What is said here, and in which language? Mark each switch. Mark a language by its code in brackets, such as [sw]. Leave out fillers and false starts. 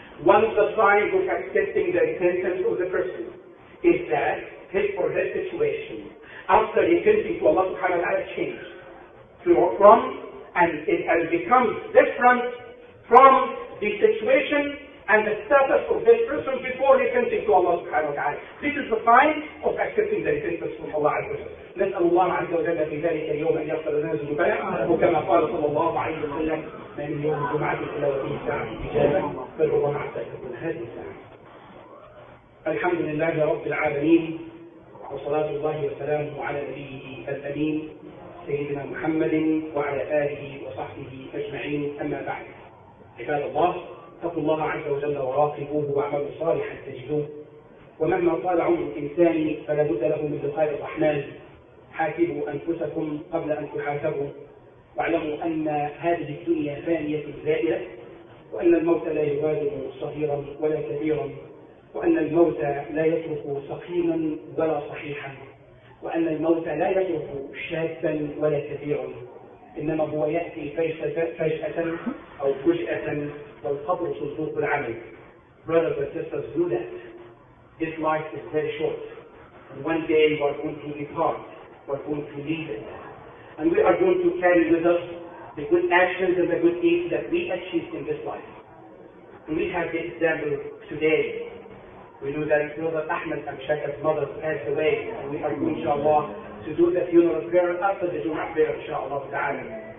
[en] One of the signs of accepting the repentance of the person is that his or her situation after repenting to Allah subhanahu wa ta'ala changed from and it has become different from the situation and the status of this person before repenting to Allah subhanahu wa ta'ala. This is the sign of accepting the repentance from Allah azza wa jalla. Let [ar] Allah azza wa jalla في ذلك اليوم أن يغفر لنا ذنوبنا وكما قال صلى الله عليه وسلم من يوم الجمعة إلى وفي ساعة إجابة فالرضا عسى تكون هذه الساعة. الحمد لله رب العالمين وصلاة الله وسلامه على نبيه الأمين سيدنا محمد وعلى آله وصحبه أجمعين. أما بعد، عباد الله، اتقوا الله عز وجل وراقبوه واعملوا صالحا تجدوه. ومهما طال عمر الإنسان فلا بد له من لقاء الرحمن. حاسبوا أنفسكم قبل أن تحاسبوا، واعلموا أن هذه الدنيا فانية زائلة، وأن الموت لا يبالغ صغيرا ولا كبيرا، وأن الموت لا يترك سقيما ولا صحيحا، وأن الموت لا يترك شابا ولا كبيرا، إنما هو يأتي فجأة أو فجأة، والقبر صدوق العمل. [en] Brothers and sisters, do that. This life is very short. One day we are going to depart, we are going to leave it. And we are going to carry with us the good actions and the good deeds that we achieved in this life. And we have the example today. We know that Brother Ahmed Amshaka's mother passed away, and we are going, inshallah, to do the funeral prayer after the Jum'ah prayer, inshallah ta'ala.